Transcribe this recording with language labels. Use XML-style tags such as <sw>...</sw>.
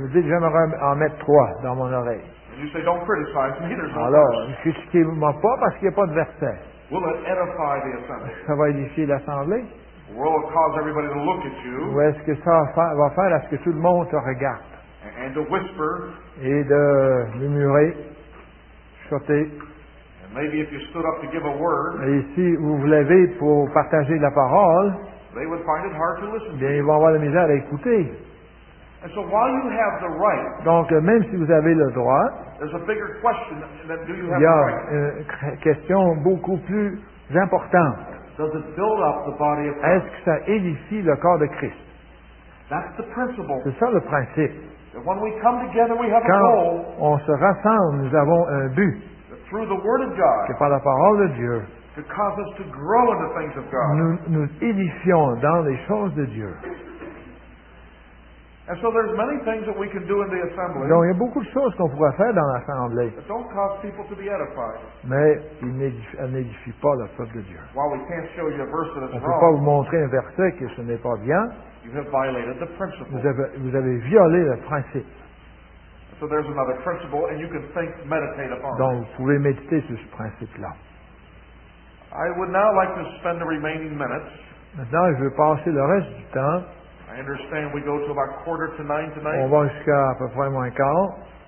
<fr>Vous dites, j'aimerais en mettre trois dans mon oreille.</fr> <en>And you say, don't criticize me, there's no</en> <fr>alors,</fr> <en>verse.</en> <fr>Critiquez-moi pas parce qu'il n'y a pas de verset.</fr> <en>Will it edify the assembly?</en> <fr>Ça va édifier l'assemblée?</fr> <en>Will it cause everybody to look at you?</en> <fr>Ou est-ce que ça va faire à ce que tout le monde te regarde?</fr> <en>And to whisper.</en> <fr>Et de murmurer, chuchoter.</fr> <en>And maybe if you stood up to give a word,</en> <fr>et si vous vous levez pour partager la parole,</fr> <en>they would find it hard to listen.</en> <fr>Bien, ils vont avoir de la misère à écouter.</fr> <en>And so while you have the right,</en> <fr>donc même si vous avez le droit,</fr> <en>there's a bigger question that do you have the right?</en> <fr>Il y a une question beaucoup plus importante.</fr> <en>Does it build up the body of Christ?</en> <fr>Est-ce que ça édifie le corps de Christ?</fr> <en>That's the principle.</en> <fr>C'est ça le principe.</fr> <en>That when we come together, we have</en> <fr>quand</fr> <en>a goal.</en> <fr>On se rassemble, nous avons un but.</fr> <en>That through the word of God,</en> <fr>que par la parole de Dieu,</fr> <en>to cause us to grow in the things of God.</en> <fr>Nous édifions dans les choses de Dieu.</fr> <en>And so there's many things that we can do in the assembly.</en> <fr>Donc il y a beaucoup de choses qu'on pourrait faire dans l'assemblée.</fr> <en>But don't cause people to be edified.</en> <fr>Mais elle n'édifie pas le peuple de Dieu.</fr> <en>While we can't show you a verse that is wrong.</en> <fr>On peut pas vous montrer un verset que ce n'est pas bien.</fr> <en>You have violated the principle.</en> <fr>Vous avez violé le principe.</fr> <en>So there's another principle, and you can think, meditate upon.</en> <fr>Donc vous pouvez méditer sur ce principe-là.</fr> <en>I would now like to spend the remaining minutes.</en> <fr>Maintenant, je veux passer le reste du temps.</fr> <en>I understand we go to about quarter to nine tonight.</en> <fr>On va jusqu'à à peu près moins quart.</fr>